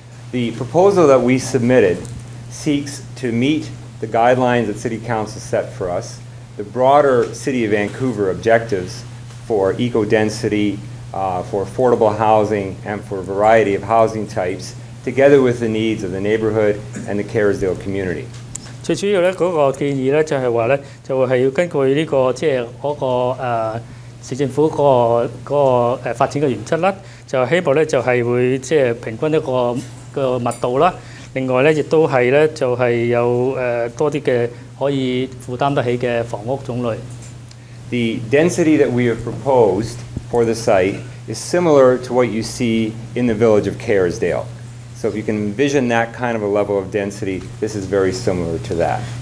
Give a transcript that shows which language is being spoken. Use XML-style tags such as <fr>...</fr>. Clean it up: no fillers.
<en>The proposal that we submitted seeks to meet the guidelines that City Council set for us, the broader City of Vancouver objectives for eco-density, for affordable housing, and for a variety of housing types, together with the needs of the neighborhood and the Carisdale community.</en> <yue>最主要呢，那個建議呢，就是話呢，就是要根據呢個即係嗰個市政府個發展嘅原則啦，就希望呢，就是會即係平均一個密度啦，另外呢，亦都係呢，就是有多啲嘅可以負擔得起嘅房屋種類。</yue> <en>The density that we have proposed for the site is similar to what you see in the village of Carisdale. So if you can envision that kind of a level of density, this is very similar to that.</en>